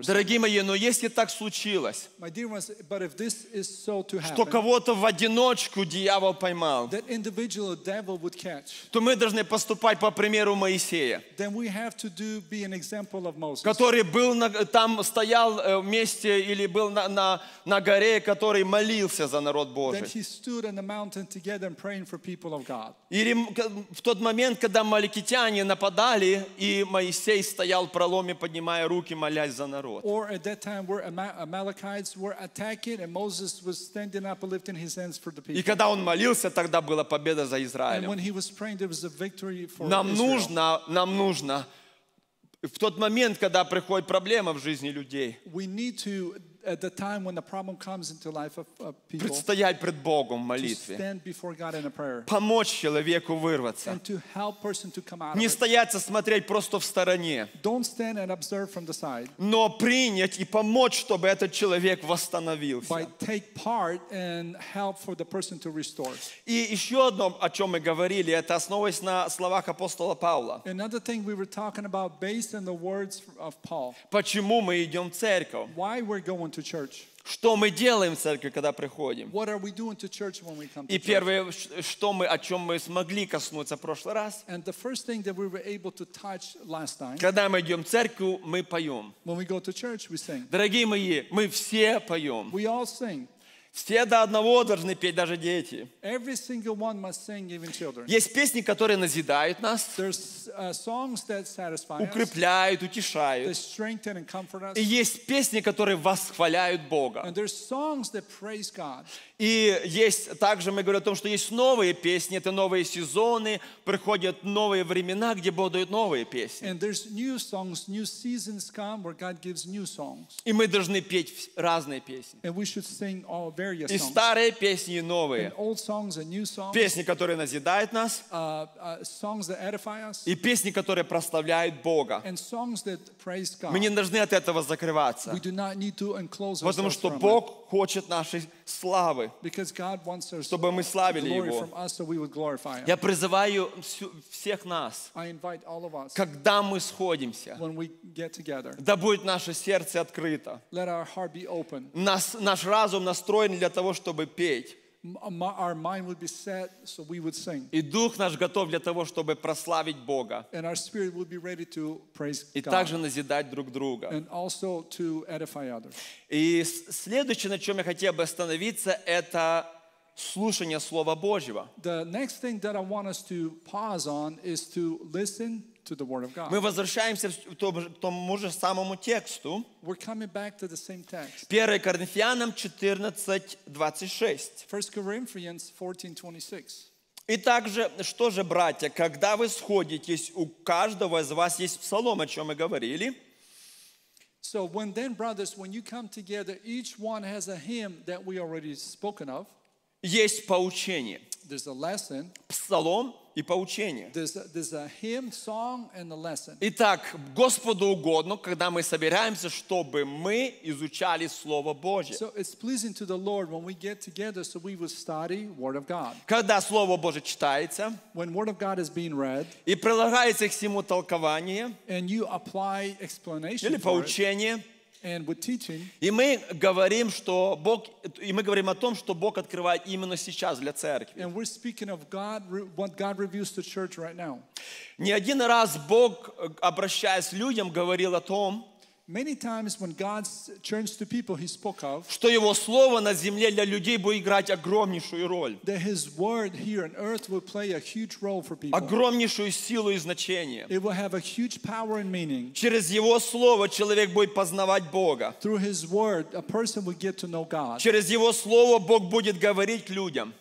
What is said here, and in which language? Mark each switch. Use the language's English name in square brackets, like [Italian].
[Russian] Дорогие мои, но если так случилось, [English] my dear ones, but if this is so to happen, [Russian] что кого-то в одиночку дьявол поймал, [English] that individual devil would catch, [Russian] то мы должны поступать по примеру Моисея, [English] then we have to do be an example of Moses, [Russian] который был там стоял вместе или был на горе, который молился за народ Божий. [English] He stood on the mountain together and praying for people of God. [Russian] Или в тот момент, когда маликитяне нападали, и Моисей стоял в проломе, поднимая руки, молясь за народ. [English] Or at that time, where Amalekites were attacking, and Moses was standing up, lifting his hands for the people. [Russian] И когда он молился, тогда была победа за Израиль. [English] And when he was praying, there was a victory for Israel. [Russian] Нам нужно в тот момент, когда приходит проблема в жизни людей. [English] We need to at the time when the problem comes into life of people, [Russian] предстоять пред Богом в молитве, [English] to stand before God in a prayer, [Russian] помочь человеку вырваться, [English] and to help person to come out, [Russian] не стоять, смотреть просто в стороне, [English] don't stand and observe from the side, [Russian] но принять и помочь, чтобы этот человек восстановился, [English] by take part and help for the person to restore. [Russian] И еще одно, о чем мы говорили, это основываясь на словах апостола Павла. [English] Another thing we were talking about based on the words of Paul. [Russian] Почему мы идем в церковь? [English] Why we're going to church. [Russian] Что мы делаем в церкви, когда приходим? [English] What are we doing to church when we come to [Russian] и первое, что мы, о чем мы смогли коснуться в прошлый раз, [English] and the first thing that we were able to touch last time, [Russian] когда мы идем в церковь, мы поем. [English] When we go to church, we sing. [Russian] Дорогие мои, мы все поем. [English] We all sing. [Russian] Все до одного должны петь, даже дети. [English] Every single one must sing, even children. [Russian] Есть песни, которые назидают нас, [English] songs that satisfy us, [Russian] укрепляют, утешают. [English] That strengthen and comfort us. [Russian] И есть песни, которые восхваляют Бога. [English] And there's songs that praise God. [Russian] И есть, также мы говорим о том, что есть новые песни, это новые сезоны, приходят новые времена, где будут новые песни. [English] And there's new songs, new seasons come where God gives new songs. [Russian] И мы должны петь разные песни. [English] And we should sing all various songs. [Russian] И старые песни, и новые. [English] And old songs and new songs. [Russian] Песни, которые назидают нас. [English] Songs that edify us. [Russian] И песни, которые прославляют Бога. [English] And songs that praise God. [Russian] Мы не должны от этого закрываться. [English] We do not need to enclose ourselves. [Russian] Потому что Бог хочет нашей славы. [English] Because God wants our [Russian] чтобы мы славили [English] glory [Russian] Его. [English] From us so we would glorify Him. [Russian] Я призываю всех нас, [English] I invite all of us, [Russian] когда мы сходимся, [English] when we get together, [Russian] да будет наше сердце открыто. [English] Let our heart be open. [Russian] Наш разум настроен для того, чтобы петь. [English] Our mind would be set so we would sing. [Russian] И дух наш готов для того, чтобы прославить Бога. [English] And our spirit would be ready to praise God. [Russian] И также назидать друг друга. [English] And also to edify others. [Russian] И следующее, на чем я хотел бы остановиться, это слушание Слова Божьего. [English] The next thing that I want us to pause on is to listen to the Word of God. [Russian] Мы возвращаемся к тому же самому тексту. [English] We're coming back to the same text. [Russian] 1 Коринфянам 14:26. [English] 1 Corinthians 14:26. [Russian] И также, что же, братья, когда вы сходитесь, у каждого из вас есть псалом, о чем мы говорили. [English] So when then, brothers, when you come together, each one has a hymn that we already spoken of. [Russian] Есть поучение. [English] There's a lesson. [Russian] Псалом и поучение. [English] There's a hymn, song, and a lesson. [Russian] Итак, Господу угодно, когда мы собираемся, чтобы мы изучали Слово Божье. [English] So it's pleasing to the Lord when we get together so we will study Word of God. [Russian] Когда Слово Божье читается, [English] when Word of God is being read, [Russian] и прилагается к всему толкование, [English] and you apply explanation [Russian] или поучение, [English] and with teaching, [Russian] и мы говорим, что Бог, и мы говорим о том, что Бог открывает именно сейчас для церкви. [English] And we're speaking of God, what God reveals to church right now. [Russian] Не один раз Бог, обращаясь к людям, говорил о том, [English] many times when God turns to people, He spoke of, [Russian] что Его слово на земле для людей будет играть огромнейшую роль. [English] That His word here on earth will play a huge role for people. [Russian] Огромнейшую силу и значение. [English] It will have a huge power and meaning. [Russian] Через Его слово человек будет познавать Бога. [English] Through His word, a person will get to know God. [Russian] Через Его слово Бог будет говорить людям.